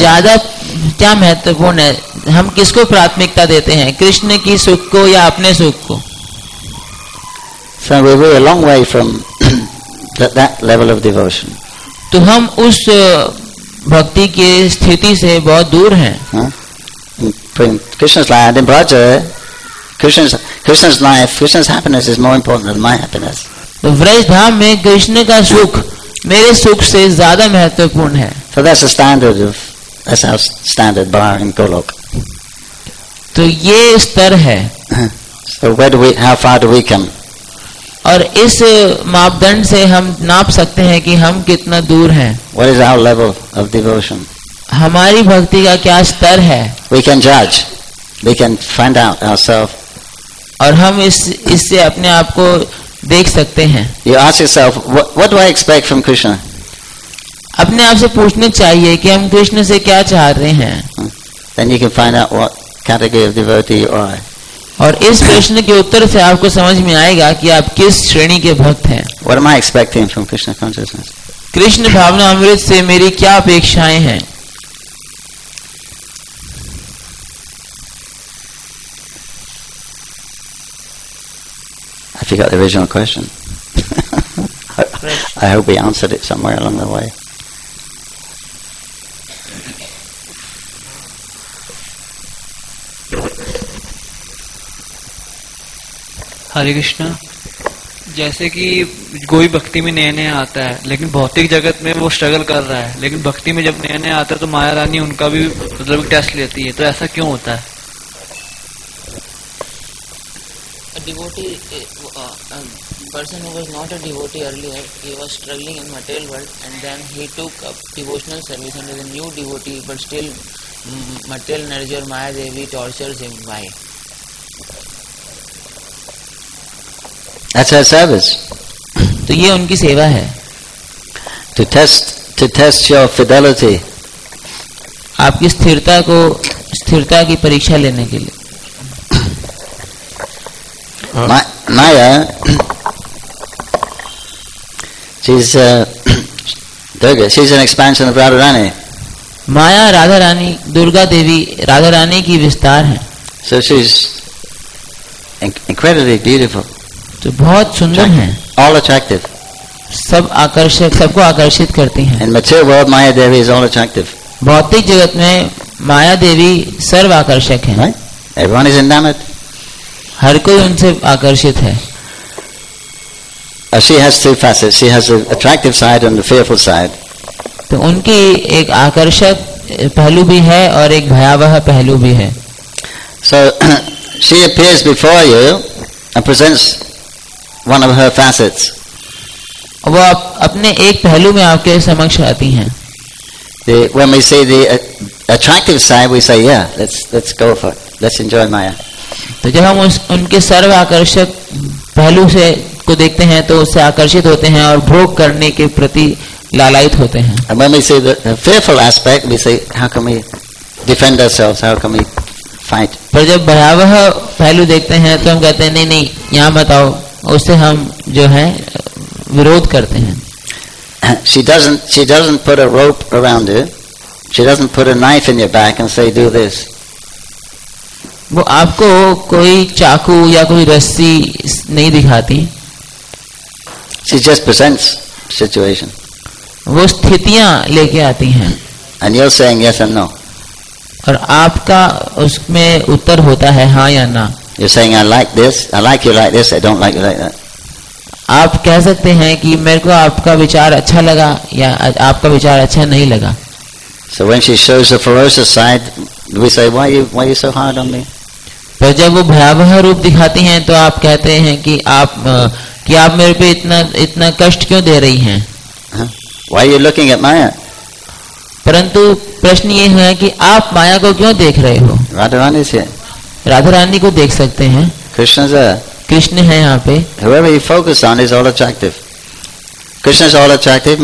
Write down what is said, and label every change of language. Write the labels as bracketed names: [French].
[Hindi] ज़्यादा क्या महत्वपूर्ण है? हम किसको प्राथमिकता देते हैं, कृष्ण की सुख को या अपने सुख को? [English] So we were a long way from that level of devotion. [Hindi] तो हम उस भक्ति के स्थिति से बहुत दूर हैं। [English] Krishna's land in Braj, Krishna's life, Krishna's happiness is more important than my happiness. [Hindi] तो व्रज धाम में कृष्ण का सुख मेरे सुख से ज़्यादा महत्वपूर्ण है। [English] So that's a standard of that's our standard bar in Golok. [Hindi] तो ये स्तर है। [English] So where do we, how far do we come? [Hindi] और इस मापदंड से हम नाप सकते हैं कि हम कितना दूर हैं। [English] What is our level of devotion? [Hindi] हमारी भक्ति का क्या स्तर है? [English] We can judge, we can find out ourselves. [Hindi] और हम इससे अपने आप को देख सकते हैं। [English] You ask yourself, what do I expect from Krishna? [Hindi] अपने आप से पूछने चाहिए कि हम कृष्ण से क्या चाह रहे हैं। [English] Then you can find out what category of devotee you are. [Hindi] और इस प्रश्न के उत्तर से आपको समझ में आएगा कि आप किस श्रेणी के भक्त हैं। [English] What am I expecting from Krishna consciousness? [Hindi] Krishna भावना अमृत से मेरी क्या अपेक्षाएं हैं? [English] I forgot the original question. I hope we answered it somewhere along the way. [Hindi] हरे कृष्णा, जैसे कि कोई भक्ति में नया नया आता है लेकिन भौतिक जगत में वो स्ट्रगल कर रहा है, लेकिन भक्ति में जब नया नया आता है तो माया रानी उनका भी मतलब टेस्ट लेती है, तो ऐसा क्यों होता है? [English] A devotee, a person who was not a devotee earlier, he was struggling in material world and then he took up devotional service and is a new devotee, but still material energy or Maya Devi tortures him. Why? That's her service. [Hindi] तो ये उनकी सेवा है। [English] To test your fidelity. [Hindi] आपकी स्थिरता को, स्थिरता की परीक्षा लेने के लिए। [English] Maya, she's Durga. She's an expansion of Radha Rani. [Hindi] Maya, Radha Rani, Durga Devi, Radha Rani की विस्तार है। [English] So she's incredibly beautiful. [Hindi] तो बहुत सुंदर हैं। [English] All attractive. [Hindi] सब आकर्षक, सबको आकर्षित करती हैं। [English] In material world, Maya Devi is all attractive. [Hindi] भौतिक जगत में माया देवी सर्व आकर्षक हैं। [English] Right? Everyone is enamored. [Hindi] हर कोई उनसे आकर्षित है। [English] She has two facets. She has the attractive side and the fearful side. [Hindi] तो उनकी एक आकर्षक पहलू भी है और एक भयावह पहलू भी है। [English] So she appears before you and presents one of her facets. [Hindi] वो अपने एक पहलू में आपके समक्ष आती हैं। [English] When we see the attractive side, we say, yeah, let's go for it. Let's enjoy Maya. [Hindi] तो जब हम उनके सर्व आकर्षक पहलू से को देखते हैं तो उससे आकर्षित होते हैं और भोग करने के प्रति लालायित होते हैं। [English] And when we say the fearful aspect, we say, how can we defend ourselves? How can we fight? [Hindi] पर जब भयावह पहलू देखते हैं तो हम कहते हैं नहीं नहीं यहाँ बताओ उससे हम जो है विरोध करते हैं। [English] She doesn't put a rope around you. She doesn't put a knife in your back and say, do this. [Hindi] वो आपको कोई चाकू या कोई रस्सी नहीं दिखाती। [English] She just presents situation. [Hindi] वो स्थितियाँ लेके आती हैं। [English] And you're saying yes and no. [Hindi] और आपका उसमें उत्तर होता है हाँ या ना। [English] You're saying I like this, I like you like this, I don't like you like that. [Hindi] आप कह सकते हैं कि मेरे को आपका विचार अच्छा लगा या आपका विचार अच्छा नहीं लगा। [English] So when she shows a ferocious side, we say, why are you so hard on me? [Hindi] पर जब वो भयावह रूप दिखाती हैं, तो आप कहते हैं कि आप मेरे पे इतना कष्ट क्यों दे रही हैं? Huh? [English] Why are you looking at Maya? [Hindi] परंतु प्रश्न ये है कि आप माया को क्यों देख रहे हो? राधारानी से? राधारानी को देख सकते हैं। कृष्ण से? कृष्ण है यहाँ पे। [English] Whoever you focus on is all attractive. Krishna is all attractive.